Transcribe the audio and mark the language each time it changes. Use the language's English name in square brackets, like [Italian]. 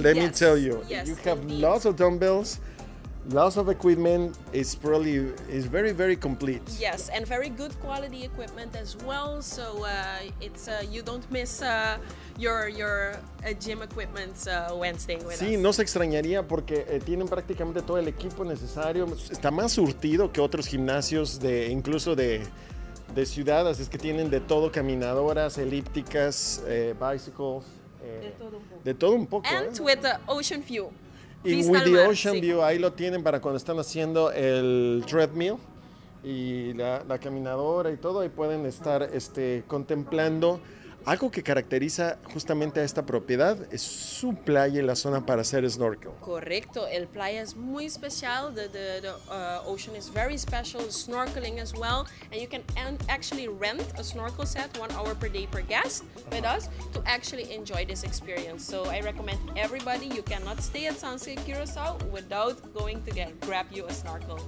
[English] Let me tell you, yes, you have lots of dumbbells, lots of equipment, it's very, very complete. Yes, and very good quality equipment as well, so you don't miss your gym equipment when staying with [Spanish] us. Sí, no se extrañaría porque tienen prácticamente todo el equipo necesario, está más surtido que otros gimnasios de ciudad, así es que tienen de todo, caminadoras, elípticas, bicycles, de todo un poco. [English] And with the ocean view. [Spanish] Y [English] with the ocean view, [Spanish] ahí lo tienen para cuando están haciendo el treadmill y la caminadora y todo, ahí pueden estar contemplando. Algo que caracteriza justamente a esta propiedad es su playa y la zona para hacer snorkel. Correcto, el playa es muy especial, [English] the ocean is very special, snorkeling as well, and you can actually rent a snorkel set 1 hour per day per guest with us to actually enjoy this experience. So I recommend everybody, you cannot stay at Sunscape Curacao without going to grab you a snorkel.